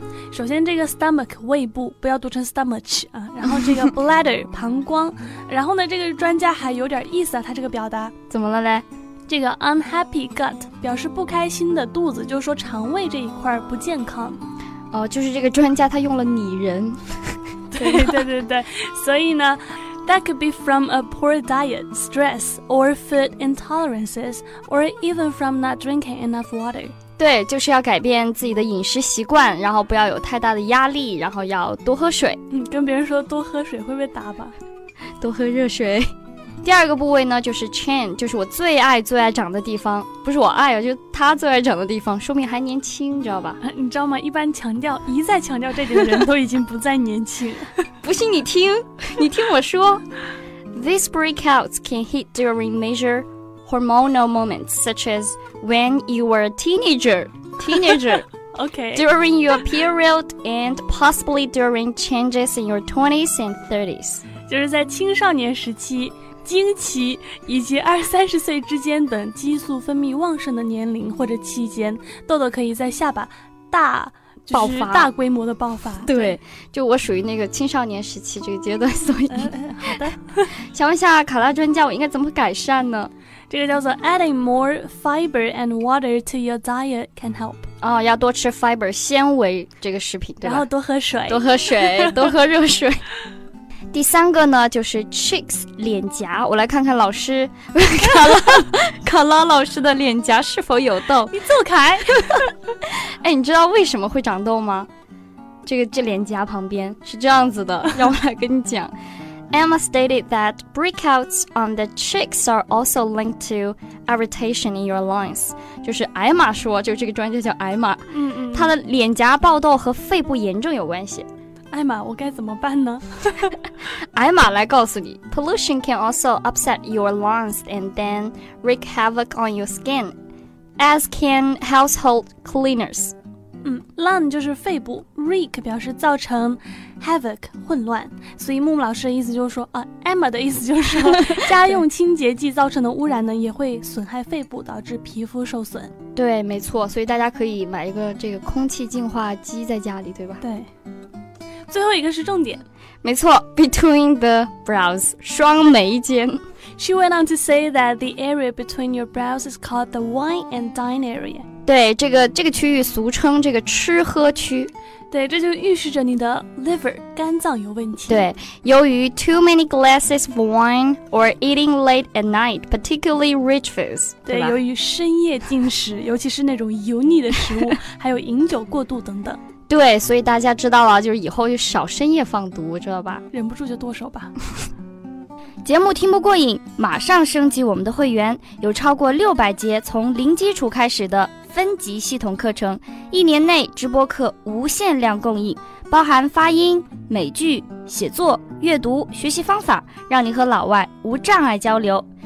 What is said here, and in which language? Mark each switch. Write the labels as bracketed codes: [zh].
[zh] 首先这个 stomach 胃部不要读成 stomach 啊，然后这个 bladder 膀胱，然后呢这个专家还有点意思啊，他这个表达怎么了嘞？这个 unhappy gut 表示不开心的肚子，就是说肠胃这一块不健康。哦，就是这个专家他用了拟人。对对对对，所以呢。 [en] That could be from a poor diet, stress, or food intolerances, or even from not drinking enough water. [zh] 对，就是要改变自己的饮食习惯，然后不要有太大的压力，然后要多喝水。跟别人说多喝水会被打吧？多喝热水。第二个部位呢，就是 chin， 就是我最爱最爱长的地方，不是我爱啊，就是他最爱长的地方，说明还年轻，你知道吧？你知道吗？一再强调这点的人都已经不再年轻。不信你听，你听我说。 [en] These breakouts can hit during major hormonal moments, such as when you were a teenager. Okay. During your period and possibly during changes in your 20s and 30s. [zh] 就是在青少年时期。经期以及二三十岁之间等激素分泌旺盛的年龄或者期间，痘痘可以在下巴大爆发，就是大规模的爆发。对，就我属于那个青少年时期这个阶段，所以好的，想问一下卡拉专家，我应该怎么改善呢？这个叫做 [en] adding more fiber and water to your diet can help。 [zh] 哦，要多吃 fiber 纤维这个食品，对吧？然后多喝水，多喝水，多喝热水。第三个呢就是 cheeks 脸颊，我来看看老师卡拉老师的脸颊是否有痘。你走开。哎，你知道为什么会长痘吗？这脸颊旁边是这样子的，让我来跟你讲。 [en] Emma stated that breakouts on the cheeks are also linked to irritation in your lungs. [zh] 就是艾玛说，就是这个专家叫艾玛，她的脸颊爆痘和肺部炎症有关系。艾玛，我该怎么办呢？艾玛来告诉你 [en] ，pollution can also upset your lungs and then wreak havoc on your skin, as can household cleaners. [zh] lung 就是肺部 ，wreak 表示造成 ，havoc 混乱。所以木木老师的意思就是说，艾玛的意思就是说，家用清洁剂造成的污染呢，也会损害肺部，导致皮肤受损。对，没错。所以大家可以买一个这个空气净化机在家里，对吧？对。最后一个是重点，没错 ， [en] between the brows， [zh] 双眉间。 [en] She went on to say that the area between your brows is called the wine and dine area。 [zh] 对，这个区域俗称这个吃喝区。对，这就预示着你的 liver 肝脏有问题。对，由于 [en] too many glasses of wine or eating late at night, particularly rich foods。 [zh] 对，由于深夜进食，尤其是那种油腻的食物，还有饮酒过度等等。对，所以大家知道了，就是以后就少深夜放毒，知道吧？忍不住就剁手吧。节目听不过瘾，马上升级我们的会员，有超过600节从零基础开始的分级系统课程，一年内直播课无限量供应，包含发音、美剧、写作、阅读、学习方法，让你和老外无障碍交流。